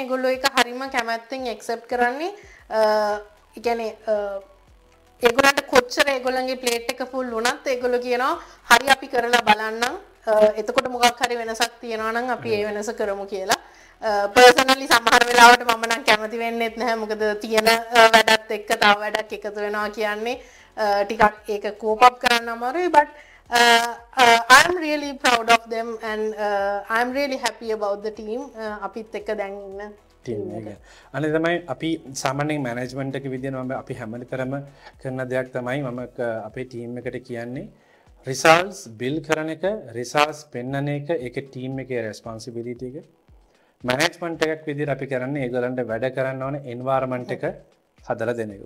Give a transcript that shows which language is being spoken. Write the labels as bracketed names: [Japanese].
[Sinhala] ඒගොල්ලෝ ඒක හරිම කැමැත්තෙන් ඇක්සෙප්ට් කරන්නේ. ඒ කියන්නේ ඒගොල්ලන්ට කොච්චර ඒගොල්ලන්ගේ ප්ලේට් එක ෆුල් වුණත් ඒගොල්ලෝ කියනවා හරි අපි කරලා බලන්නම්, එතකොට මොකක් හරි වෙනසක් තියෙනවා නම් අපි ඒ වෙනස කරමු කියලා. පර්සනලි සමහර වෙලාවට මම නම් කැමති වෙන්නේ නැහැ, මොකද තියෙන වැඩත් එක්ක තව වැඩක් එකතු වෙනවා කියන්නේ ටිකක් ඒක කෝප් අප් කරන්න අමාරුයි. [English] But I am really proud of them and I am really happy about the team. [Sinhala] අපිත් එක්ක දැන් ඉන්න අනේ තමයි අපි සාමාන්‍යයෙන් මැනේජ්මන්ට් එක විදිහට මම අපි හැමතරම කරන දෙයක් තමයි මම අපේ ටීම් එකට කියන්නේ රිසල්ට්ස් බිල් කරන එක, රිසල්ට්ස් පෙන්වන එක ඒකේ ටීම් එකේ රෙස්පොන්සිබිලිටි එක. මැනේජ්මන්ට් එකක් විදිහට අපි කරන්නේ ඒගොල්ලන්ට වැඩ කරන්න ඕන එන්වයරන්මන්ට් එක හදලා දෙන එක.